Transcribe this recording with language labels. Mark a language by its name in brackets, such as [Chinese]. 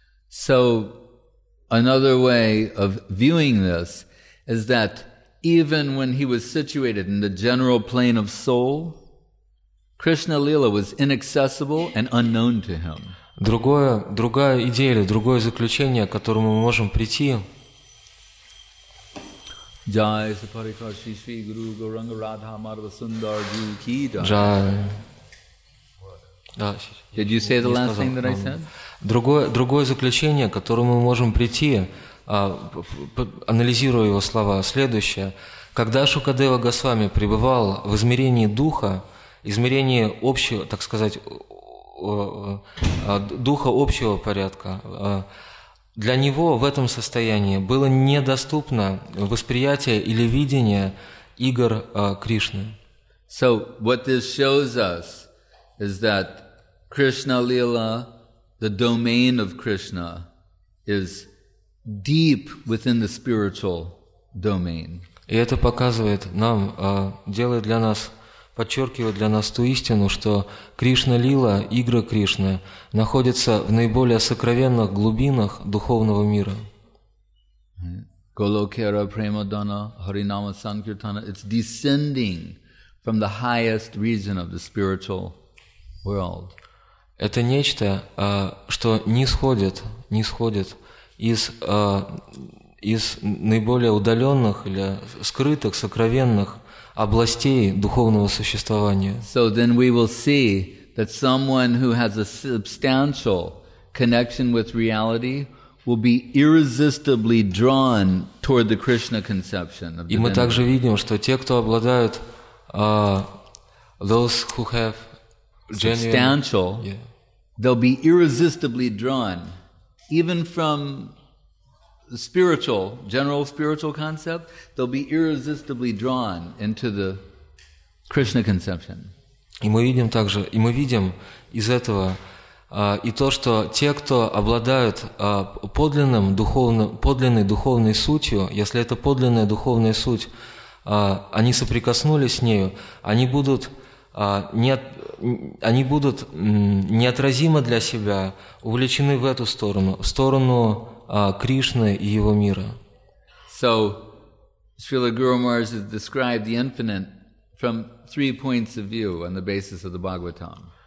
[English] So, another way of viewing this is that even when he was situated in the general plane of soul, Krishna Lila was inaccessible and unknown to him. [Russian] Другая идея или другое заключение, к которому мы можем прийти. [Sanskrit] Jai Saparika Shri Shri Guru Gauranga Radha Madhava Sundar Ji Ki Jai. Jai. [English] Did you say the last thing that I said? [Russian] Другое заключение, к которому мы можем прийти, анализируя его слова, следующее. Когда Шукадева Госвами пребывал в измерении духа, измерение общего, так сказать, духа общего порядка, для него в этом состоянии было недоступно восприятие или видение игр Кришны. [English] So what this shows us is that Krishna Lila, the domain of Krishna, is deep within the spiritual domain. [Russian] И это показывает нам, делает для нас, подчеркивает для нас ту истину, что Кришна Лила, игры Кришны, находятся в наиболее сокровенных глубинах духовного мира. [English] Голокера, Премадана, Харинама, Санкиртана, it's descending from the highest region of the spiritual world. [Russian] Это нечто, что нисходит из наиболее удаленных или скрытых, сокровенных областей духовного существования. [English] So then we will see that someone who has a substantial connection with reality will be irresistibly drawn toward the Krishna conception of divinity. [Russian] И мы также видим, что те, кто обладают [English] those who have genuine, substantial, they'll be irresistibly drawn even from the spiritual, general spiritual concept, they'll be irresistibly drawn into the Krishna conception. [Russian] И мы видим также, и мы видим из этого и то, что те, кто обладают подлинной духовной сутью, если это подлинная духовная суть, они соприкоснулись с нею, они будут неотразимо для себя увлечены в эту сторону, в сторону Кришны и его мира. [English] So, Srila Guru Maharaj has described the infinite from three points of view on the basis of the Bhagavatam.